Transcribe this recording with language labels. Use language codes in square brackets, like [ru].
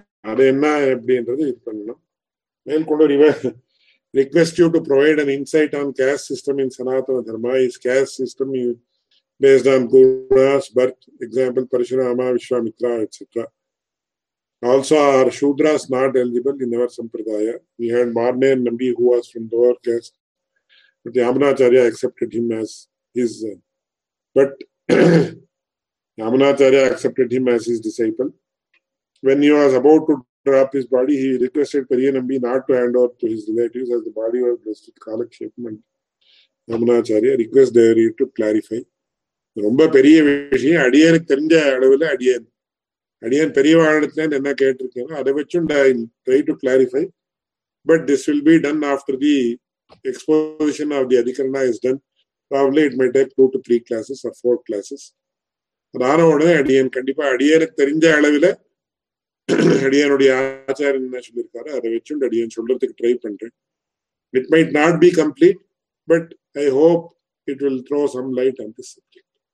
[ta] அது என்ன அப்படின்றது இது பண்ணணும். மேல்கொண்டு [en] Request you to provide an insight on caste system in Sanatana Dharma. Is caste system based on Guna's birth, example, Parashurama, Vishwamitra, etc. Also, are Shudras not eligible in our Sampradaya? We had Marne and Nambi, who was from the lower caste, but the Yamanacharya accepted him as his... But Yamanacharya accepted him as his disciple. When he was about to drop his body, he requested Pariya Nambi not to hand over to his relatives as the body was blessed with Kalakshepam, and Yamanacharya requested there to clarify. [ta] ரொம்ப பெரிய விஷயம். அடியனுக்கு தெரிஞ்ச அளவுல அடியன் அடியன் பெரிய வாழ்த்துல என்ன கேட்டிருக்கேனோ அதை வச்சுண்ட [en] I try to clarify. But this will be done after the exposition of the adhikarana is done. Probably it may take 2-3 classes or 4 classes. [ta] ஆன உடனே அடியன் கண்டிப்பா அடியனுக்கு தெரிஞ்ச அளவுல அடியனுடைய ஆச்சாரியன் என்ன சொல்லியிருக்காரு அதை வச்சுண்டு அடியன் சொல்றதுக்கு ட்ரை பண்றேன். [en] It might not be complete, but I hope it will throw some light on this subject.